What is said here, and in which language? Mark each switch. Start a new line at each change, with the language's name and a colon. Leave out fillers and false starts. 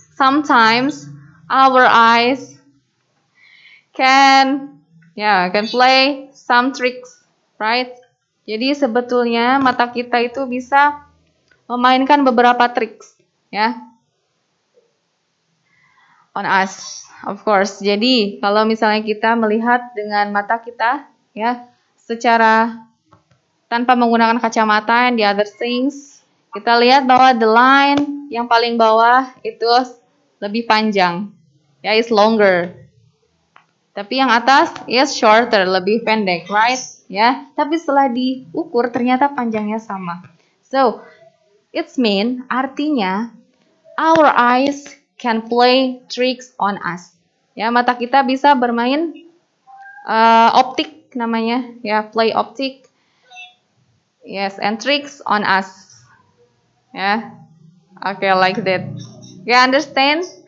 English: Sometimes our eyes can play some tricks, right?
Indonesian: Jadi sebetulnya mata kita itu bisa memainkan beberapa tricks, ya.
English: On us, of course.
Indonesian: Jadi kalau misalnya kita melihat dengan mata kita, ya, secara tanpa menggunakan kacamata and the other things, kita lihat bahwa the line yang paling bawah itu lebih panjang, ya,
English: is longer.
Indonesian: Tapi yang atas
English: is shorter,
Indonesian: lebih pendek, right? Ya. Tapi setelah diukur ternyata panjangnya sama.
English: So, it's mean artinya our eyes can play tricks on us.
Indonesian: Ya, mata kita bisa bermain optik namanya, ya, play optik.
English: Yes, and tricks on us. Ya. Okay, like that. You understand?